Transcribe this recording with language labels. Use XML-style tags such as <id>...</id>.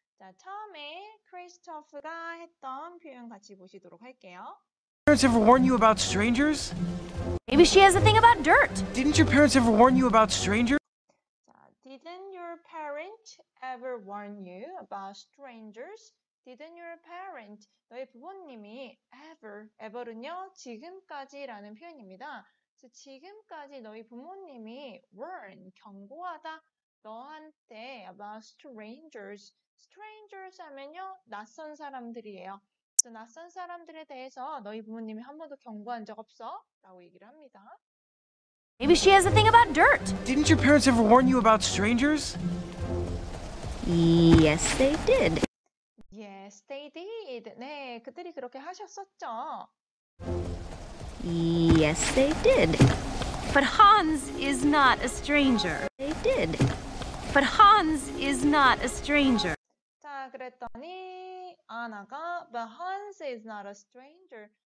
<ko>자, 처음에 크리스토프가 했던 표현 같이 보시도록 할게요.</ko> <en>Parents ever warn you about strangers? Maybe she has a thing about dirt. Didn't your parents ever warn you about strangers? Didn't your parents ever warn you about strangers? Didn't your parents?</en> <ko>너희 부모님이 ever는요, 지금까지라는 표현입니다. 지금까지 너희 부모님이 warn, 경고하다, 너한테</ko> <en>about strangers.</en> <ko>Strangers 하면요, 낯선 사람들이에요. 그래서 낯선 사람들에 대해서 너희 부모님이 한 번도 경고한 적 없어? 라고 얘기를 합니다.</ko> <en>Maybe she has a thing about dirt. Didn't your parents ever warn you about strangers? Yes, they did. Yes, they did.</en> <ko>네, 그들이 그렇게 하셨었죠.</ko> <en>Yes, they did. But Hans is not a stranger. They did. But Hans is not a stranger.</en> <ko>자, 그랬더니 아나가</ko> <en>But Hans is not a stranger.</en>